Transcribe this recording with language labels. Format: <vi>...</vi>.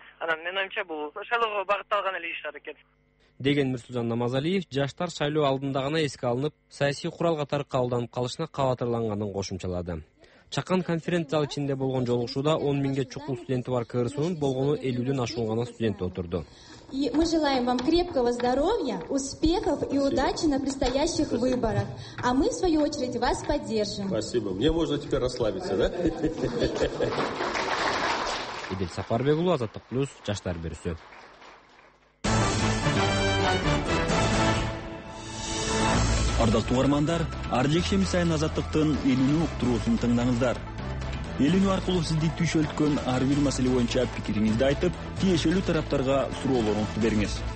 <ky>Анан менин оюмча бул шайлоого багытталган эле иш аракет. Деген Мирсулжан Намазалиев жаштар шайлоо алдында гана эске алынып, саясий курал катары калданып калышына кабатырланганын кошумчалады. Чакан конференциялы ичинде болгон жолугушууда 10 000 чукул студенти бар КРСУнун болгону 50 000 ашуун гана студент отурду.</ky> <ru>И мы желаем вам крепкого здоровья, успехов и удачи на предстоящих выборах. А мы, в свою очередь, вас поддержим. Спасибо. Мне можно теперь расслабиться, да?</ru> <ky>Эдил Сапарбек уулу, Азаттык Плюс, жаштар берүүсү. Ардактуу угармандар, ар жекшемби сайын Азаттыктын элүүнү уктуруусун тыңдаңыздар. Элүүнү аркылуу сизди түйшөлткөн ар бир маселе боюнча пикириңизди айтып, тиешелүү тарапторго суроолоруңузду бериңиз.</ky>